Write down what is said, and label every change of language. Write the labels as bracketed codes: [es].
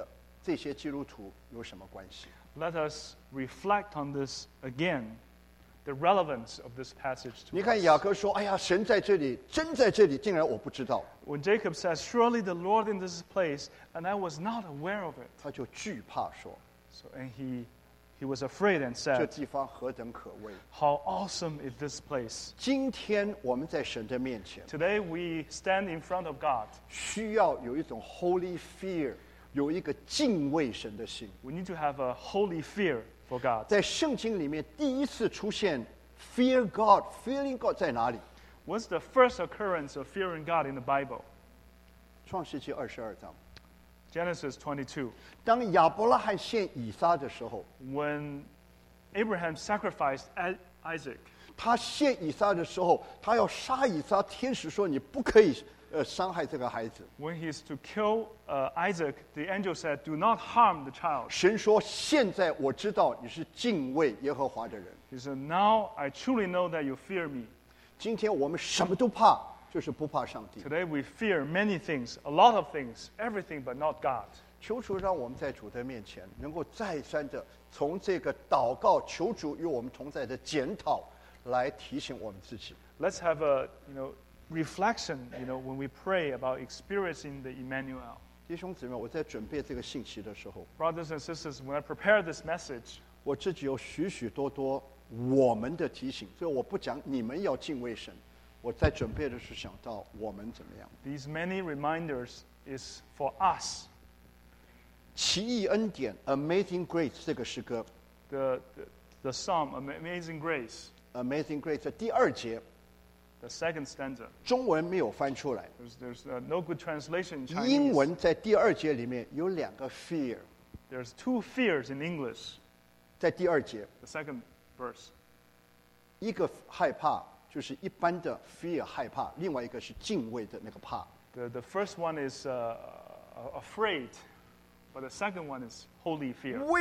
[zh] 让我们在主的面前再次想到，这个举头三尺有神明，跟我们今天信真神的这些基督徒有什么关系？ [en] Let us reflect on this again, the relevance of this passage to us. [zh] 你看雅各说, 哎呀, 神在这里, 真在这里, 竟然我不知道。 [en] When Jacob said, surely the Lord in this place, and I was not aware of it. [zh] 他就惧怕说, [en] so, and he was afraid and said, [zh] 这地方何等可畏, [en] how awesome is this place. [zh] 今天我们在神的面前, [en] today we stand in front of God. [zh] 需要有一种 [en] holy fear. [zh] 有一个敬畏神的心。 [en] We need to have a holy fear for God. [zh] 在圣经里面第一次出现 [en] fear God, fearing God [zh] 在哪里? [en] What's the first occurrence of fearing God in the Bible? [zh] 创世纪22章。 [en] Genesis 22. [zh] 当亚伯拉罕献以撒的时候, [en] when Abraham sacrificed Isaac, [zh] 他献以撒的时候, 他要杀以撒, 天使说你不可以, 伤害这个孩子。 [en] When he is to kill Isaac, the angel said, do not harm the child. [zh] 神说, 现在我知道你是敬畏耶和华的人。 [en] He said, now I truly know that you fear me. [zh] 今天我们什么都怕, 就是不怕上帝。 [en] Today we fear many things, a lot of things, everything but not God. [zh] 求主让我们在主的面前, 能够再三地从这个祷告, 求主与我们同在的检讨, 来提醒我们自己。 [en] Let's have reflection, you know, when we pray about experiencing the Emmanuel. [zh] 弟兄姊妹，我在准备这个信息的时候, [en] brothers and sisters, when I prepare this message, [zh] 我自己有许许多多我们的提醒, 所以我不讲你们要敬畏神, 我在准备的是想到我们怎么样。 [en] These many reminders is for us. [zh] 奇异恩典, Amazing Grace, 这个诗歌, [en] the psalm, Amazing Grace. [zh] Amazing Grace, 第二节, [en] the second stanza. [zh] 中文没有翻出来, [en] there's no good translation in Chinese. [zh] 英文在第二节里面有两个 fear. [en] There's two fears in English. [zh] 在第二节, [en] the second verse. [zh] 一个害怕就是一般的 fear 害怕, 另外一个是敬畏的那个怕。 [en] The first one is afraid, but the second one is holy fear.